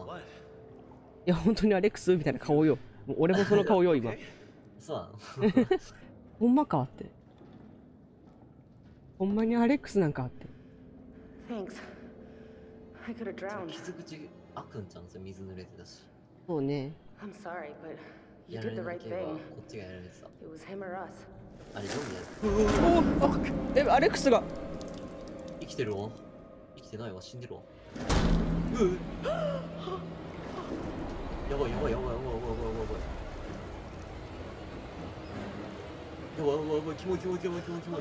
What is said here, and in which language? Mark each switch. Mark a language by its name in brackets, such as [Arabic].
[Japanese] いや、本当にアレックスみたいな顔よ。もう俺もその顔よ今。そうなほんまかって、ほんまにアレックスなんかって。 [English] Thanks. I could have drowned. [Japanese] 傷口あくんちゃんですよ、水濡れてたし。そうね、 [English] I'm sorry, but you did the right thing. [Japanese] こっちがやられてた。 [English] It was him or us. [Japanese] あれ、ゾンビだよ。おぉ、あっ、え、アレックスが生きてるわ、生きてないわ、死んでるわ。やばいやばいやばいやばいやばいやばいやばいやばいやばいやばいやばい、キモキモキモキモキモ。